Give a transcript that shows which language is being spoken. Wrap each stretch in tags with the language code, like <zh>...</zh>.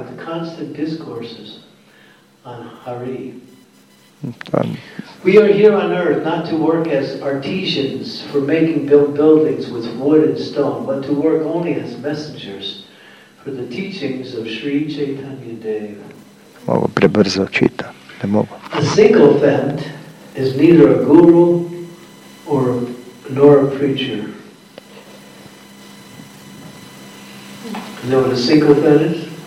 <en>With constant discourses on Hari. We are here on earth not to work as artisans for making buildings with wood and stone, but to work only as messengers for the teachings of Sri Chaitanya Dev.</en> <hr>Mogu prebrzo čita, ne mogu.</hr> <en>A single fent is neither a guru or nor a preacher. You know what a single fent is?</en>